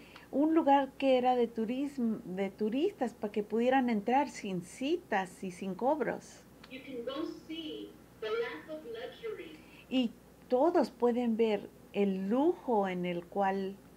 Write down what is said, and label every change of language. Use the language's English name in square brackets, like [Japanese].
[Spanish] Un lugar que era de turistas, para que pudieran entrar sin citas y sin cobros. [English] You can go see the lack of luxury. [Spanish] Y todos pueden ver el lujo en el cual,